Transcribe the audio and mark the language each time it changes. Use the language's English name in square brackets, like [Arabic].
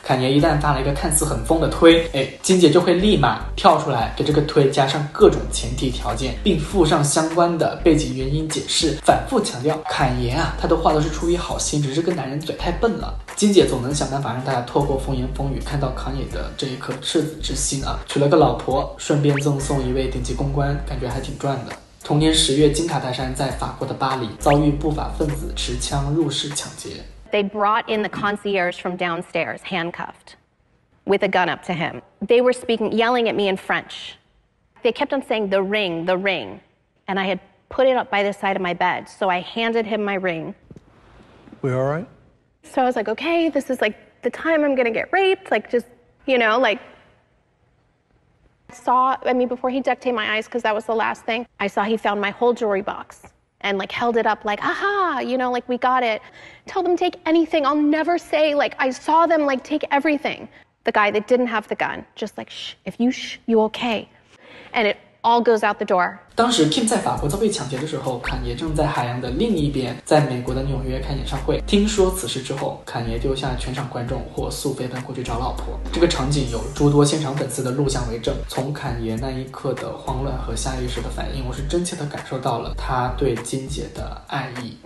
[Chinese] 坎爷一旦发了一个看似很疯的推，金姐就会立马跳出来给这个推加上各种前提条件，并附上相关的背景原因解释，反复强调坎爷啊，他的话都是出于好心，只是跟男人嘴太笨了。金姐总能想办法让大家透过风言风语看到康妮的这一颗赤子之心啊，娶了个老婆，顺便赠送一位顶级公关，感觉还挺赚的。同年10月，金卡戴珊在法国的巴黎遭遇不法分子持枪入室抢劫。 [English] They brought in the concierge from downstairs, handcuffed, with a gun up to him. They were speaking, yelling at me in French. They kept on saying the ring, the ring, and I had put it up by the side of my bed, so I handed him my ring. We all right? So I was like, okay, this is like the time I'm gonna get raped. Like, just, you know, like, before he duct taped my eyes, because that was the last thing, I saw he found my whole jewelry box and like held it up, like, aha, you know, like, we got it. Tell them take anything. I'll never say, like, I saw them like take everything. The guy that didn't have the gun, just like, shh, if you shh, you okay. And it all goes out the door. [Chinese] 当时 Kim 在法国遭被抢劫的时候，坎爷正在海洋的另一边，在美国的纽约开演唱会。听说此事之后，坎爷丢下全场观众，火速飞奔过去找老婆。这个场景有诸多现场粉丝的录像为证。从坎爷那一刻的慌乱和下意识的反应，我是真切的感受到了他对金姐的爱意。